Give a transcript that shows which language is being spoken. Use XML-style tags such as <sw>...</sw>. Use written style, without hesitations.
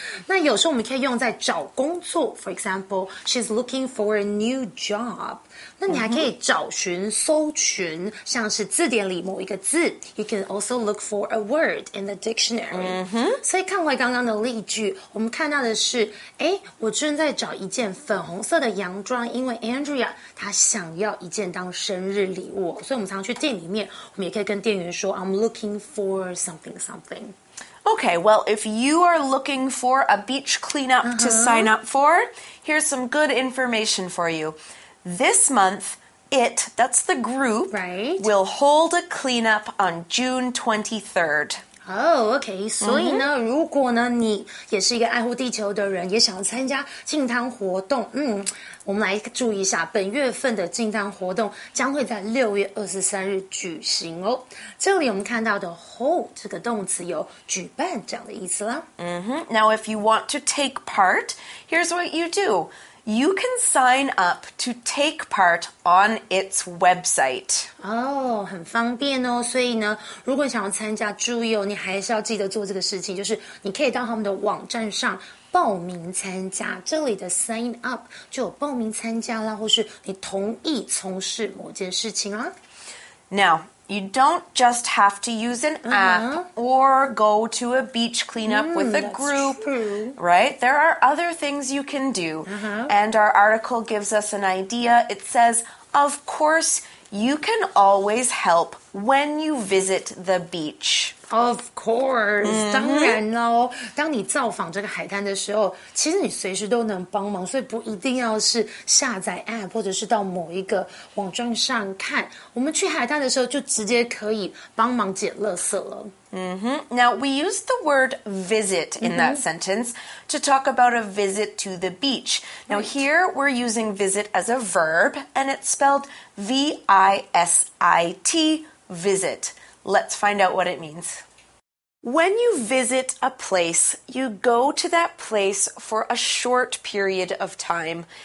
<zh>那有时候我们可以用在找工作。</zh> <en>For example, she's looking for a new job.</en> <zh>那你还可以找寻、搜寻，像是字典里某一个字。</zh> <en>You can also look for a word in the dictionary.、 Mm-hmm.</en> <zh>嗯、所以看回刚刚的例句我们看到的是我正在找一件粉红色的洋装因为 Andrea 她想要一件当生日礼物所以我们常常去店里面我们也可以跟店员说</zh> <en>I'm looking for something something Okay, well if you are looking for a beach cleanup、uh-huh. to sign up for Here's some good information for you This monthIt, that's the group,、 right. will hold a cleanup on June 23rd. Oh, okay. So,、mm-hmm.</en> <zh>呢如果呢你也是一个爱护地球的人也想参加净滩活动、我们来注意一下本月份的净滩活动将会在6月23日举行哦。这里我们看到的 hold 这个动词有举办这样的意思啦。 Mm-hmm.</zh> <en>Now, if you want to take part, here's what you do. You can sign up to take part on its website.</en> <zh>Oh, 很方便哦。所以呢，如果你想要参加，注意哦，你还是要记得做这个事情，就是你可以到他们的网站上报名参加。这里的 sign up 就有报名参加啦，或是你同意从事某件事情啦。</zh> <en>Now, you don't just have to use an app or go to a beach cleanup with a group, right? There are other things you can do. Uh-huh. And our article gives us an idea. It says, of course, you can always help when you visit the beach. Of course,、</en> <zh>当然咯。当你造访这个海滩的时候其实你随时都能帮忙所以不一定要是下载 APP 或者是到某一个网站上看。我们去海滩的时候就直接可以帮忙捡垃圾了。 Mm-hmm.</zh> <en>Now, we use the word visit in that sentence to talk about a visit to the beach. Now, here we're using visit as a verb and it's spelled V-I-S-I-T, visit. Let's find out what it means. When you visit a place, you go to that place for a short period of time.</en>